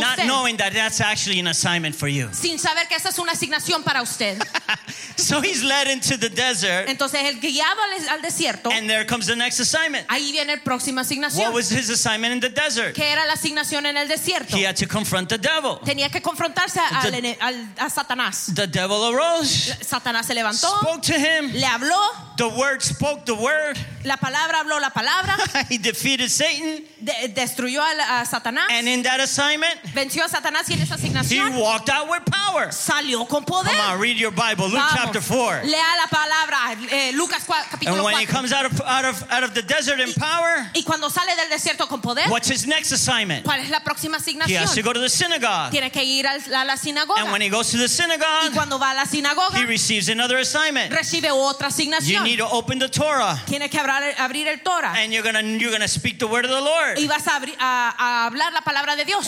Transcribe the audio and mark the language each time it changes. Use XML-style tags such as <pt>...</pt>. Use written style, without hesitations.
<en>not</en> <es>usted.</es> <en>Knowing that that's actually an assignment for you.</en> <es>Sin saber que esa es una asignación para usted.</es> <en>So he's led into the desert.</en> <es>Entonces él guiado al desierto.</es> <en>And there comes the next assignment.</en> <es>Ahí viene el próximo asignación.</es> <en>What was his assignment in the desert?</en> <es>¿Qué era la asignación en el desierto?</es> <en>He had to confront the devil.</en> <es>Tenía que confrontarse a Satanás.</es> <en>The devil arose.</en> <es>Satanás se levantó.</es> <en>Spoke to him.</en> <es>Le habló.</es> <en>The word spoke the word.</en> <es>La palabra habló la palabra.</es> <en>He defeated Satan.</en> <es>Destruyó a Satanás.</es> <en>And in that assignment,</en> <es>venció a Satanás y en esa asignación,</es> <en>he walked out with power.</en> <es>Salió con poder.</es> <en>Come on, read your Bible, Luke</en> <es>Vamos.</es> <en>Chapter 4.</en> <es>Lea la palabra, Lucas 4, capítulo 4.</es> <en>And when</en> <es>4.</es> <en>He comes out of the desert in power,</en> <es>y cuando sale del desierto con poder,</es> <en>what's his next assignment?</en> <es>¿Cuál es la próxima asignación?</es> <en>He has to go to the synagogue.</en> <es>Tiene que ir a la sinagoga.</es> <en>And when he goes to the synagogue,</en> <es>y cuando va a la sinagoga,</es> <en>he receives another assignment.</en> <es>Recibe otra asignación.</es> <en>You need to open the Torah.</en> <es>Tiene que abrir el Torah.</es> <en>And you're gonna speak the word of the Lord.</en> <es>Y vas a hablar la palabra de Dios.</es>